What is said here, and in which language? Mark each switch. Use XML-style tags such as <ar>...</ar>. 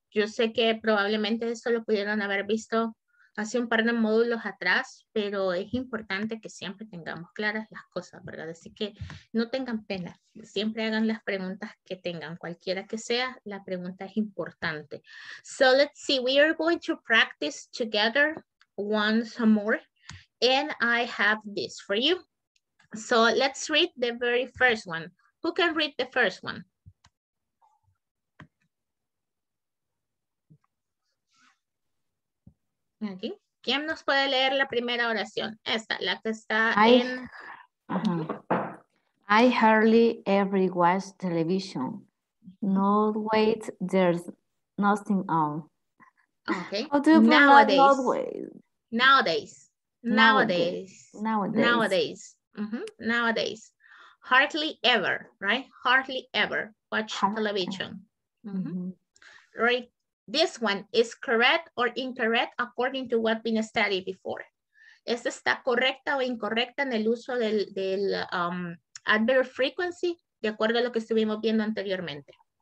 <es>Yo sé que probablemente eso lo pudieron haber visto hace un par de módulos atrás, pero es importante que siempre tengamos claras las cosas, ¿verdad? Así que no tengan pena, siempre hagan las preguntas que tengan, cualquiera que sea, la pregunta es importante.</es> <en>So let's see, we are going to practice together once more, and I have this for you. So let's read the very first one. Who can read the first one?</en> <es>Aquí. ¿Quién nos puede leer la primera oración? Esta, la que está en...</es> <en>Uh-huh. I hardly ever watch television. No, wait, there's nothing on. Okay. How do you pronounce nowadays? Nowadays. Nowadays. Nowadays. Nowadays. Nowadays. Nowadays. Mm-hmm. Nowadays. Hardly ever, right? Hardly ever watch television. Mm-hmm. Right. This one is correct or incorrect according to what been studied before.</en> <es>¿Esta está correcta o incorrecta en el uso del adverb frequency de acuerdo a lo que estuvimos viendo anteriormente?</es>